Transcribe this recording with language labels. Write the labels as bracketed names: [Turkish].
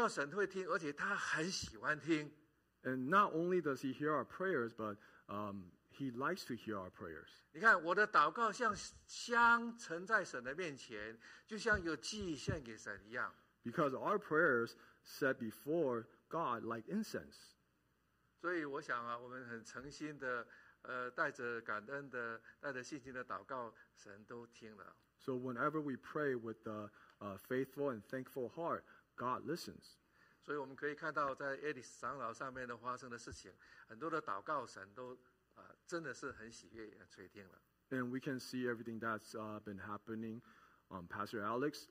[Chinese] 所以说我们不仅说我的祷告神会听，而且他很喜欢听。 [English] And not only does he hear our prayers, but he likes to hear our prayers. [Chinese] 你看我的祷告像香沉在神的面前，就像有祭献给神一样。 [English] Because our prayers set before God like incense. [Chinese] 所以我想啊，我们很诚心的。带着感恩的、带着信心的祷告，神都听了。 [English] So whenever we pray with the faithful and thankful heart, God listens. [Chinese] 所以我们可以看到，在Alex长老上面的发生的事情，很多的祷告，神都真的是很喜悦、垂听了。 [English] And we can see everything that's been happening, Pastor Alex.